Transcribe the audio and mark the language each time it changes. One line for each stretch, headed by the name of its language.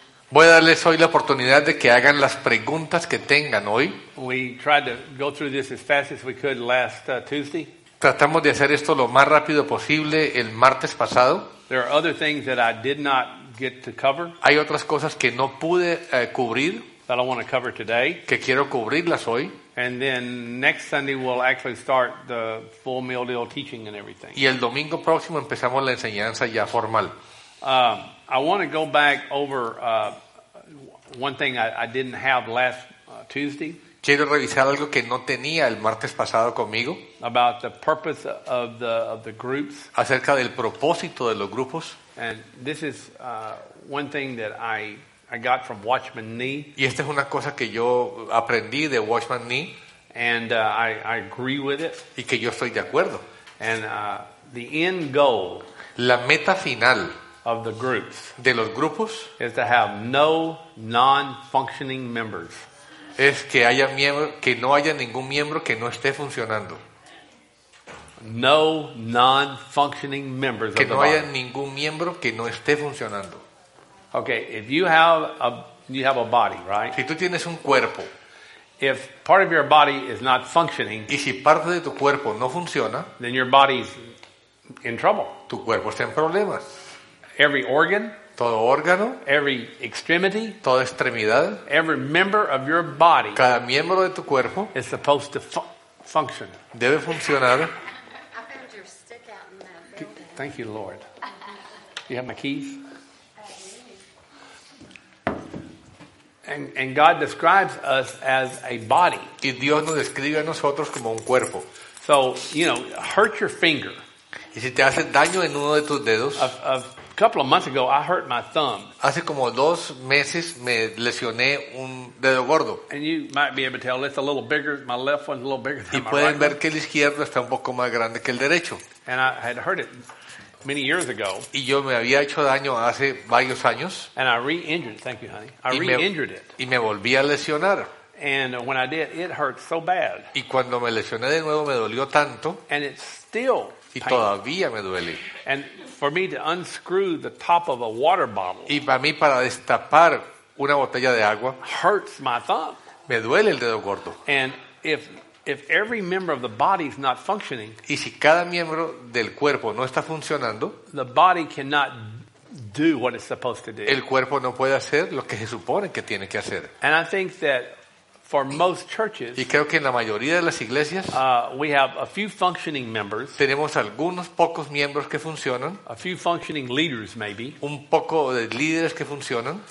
Spanish: Voy a darles hoy la oportunidad de que hagan las preguntas que tengan hoy.
English: We tried to go through this as fast as we could last Tuesday.
Spanish: Tratamos de hacer esto lo más rápido posible el martes pasado.
English: There are other things that I did not get to cover.
Spanish: Hay otras cosas que no pude cubrir.
English: That I want to cover today.
Spanish: Que quiero cubrirlas hoy.
English: And then next Sunday we'll actually start the full meal deal teaching and everything.
Spanish: Y el domingo próximo empezamos la enseñanza ya formal.
English: I want to go back over one thing I didn't have last Tuesday.
Spanish: Quiero revisar algo que no tenía el martes pasado conmigo.
English: About the purpose of the groups.
Spanish: Acerca del propósito de los grupos.
English: And this is one thing that I got from Watchman Nee.
Spanish: Y esta es una cosa que yo aprendí de Watchman Nee.
English: And I agree with it.
Spanish: Y que yo estoy de acuerdo.
English: And the end goal.
Spanish: La meta final.
English: Of the groups.
Spanish: De los grupos.
English: Is to have no non-functioning members.
Spanish: Es que haya miembro, que no haya ningún miembro que no esté funcionando.
English: No non-functioning members.
Spanish: Que no haya ningún miembro que no esté funcionando.
English: Okay, if you have a body, right?
Spanish: Si tú tienes un cuerpo.
English: If part of your body is not functioning.
Spanish: Y si parte de tu cuerpo no funciona.
English: Then your body's in trouble.
Spanish: Tu cuerpo está en problemas.
English: Every organ.
Spanish: Todo órgano.
English: Every extremity.
Spanish: Toda extremidad.
English: Every member of your body.
Spanish: Cada miembro de tu cuerpo.
English: Is supposed to function.
Spanish: Debe funcionar.
English: I found your stick out in that building. Thank you, Lord. You have my keys? And God describes us as a body.
Spanish: Y Dios nos describe a nosotros como un cuerpo.
English: So, you know, hurt your finger.
Spanish: Y si te hace daño en uno de tus dedos.
English: A couple of months ago, I hurt my thumb.
Spanish: Hace como dos meses me lesioné un dedo gordo.
English: And you might be able to tell it's a little bigger. My left one's a little bigger than my right.
Spanish: Y pueden ver que el izquierdo está un poco más grande que el derecho.
English: And I had hurt it. Many years ago.
Spanish: Y yo me había hecho daño hace varios años.
English: And I re-injured, thank you, honey. Re-injured it.
Spanish: Y me volví a lesionar.
English: And when I did, it hurt so bad.
Spanish: Y cuando me lesioné de nuevo me dolió tanto.
English: And it's still painful.
Spanish: Y todavía me duele.
English: And for me to unscrew the top of a water bottle.
Spanish: Y para mí para destapar una botella de agua.
English: Hurts my thumb.
Spanish: Me duele el dedo gordo.
English: And if every member of the body is not functioning,
Spanish: y si cada miembro del cuerpo no está funcionando,
English: the body cannot do what it's supposed to do.
Spanish: El cuerpo no puede hacer lo que se supone que tiene que hacer.
English: And I think that for most churches,
Spanish: y creo que en la mayoría de las iglesias,
English: we have a few functioning members,
Spanish: tenemos algunos pocos miembros que funcionan,
English: a few functioning leaders maybe,
Spanish: un poco de líderes que funcionan,